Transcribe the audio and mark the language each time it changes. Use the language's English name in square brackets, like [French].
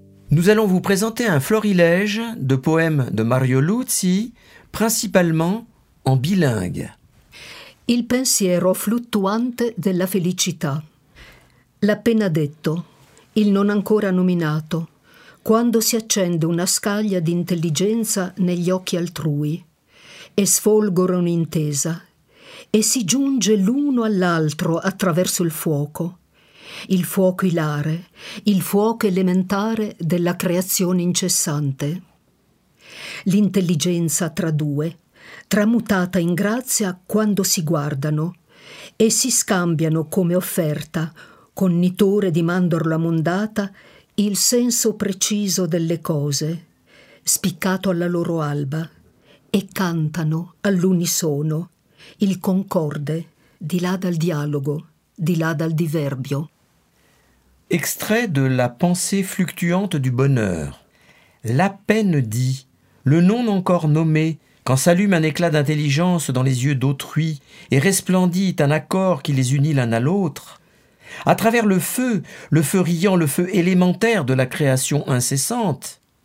[French] Nous allons vous présenter un florilège de poèmes de Mario Luzi, principalement en bilingue. [Italian] Il pensiero fluttuante della felicità. L'appena detto, il non ancora nominato, quando si accende una scaglia d'intelligenza negli occhi altrui, e sfolgora un'intesa, e si giunge l'uno all'altro attraverso il fuoco ilare, il fuoco elementare della creazione incessante. L'intelligenza tra due, tramutata in grazia quando si guardano e si scambiano come offerta, connitore di mandorla mondata, il senso preciso delle cose, spiccato alla loro alba, e cantano all'unisono il concorde di là dal dialogo, di là dal diverbio. [French] Extrait de la pensée fluctuante du bonheur. La peine dit, le non encore nommé, quand s'allume un éclat d'intelligence dans les yeux d'autrui et resplendit un accord qui les unit l'un à l'autre, à travers le feu riant, le feu élémentaire de la création incessante,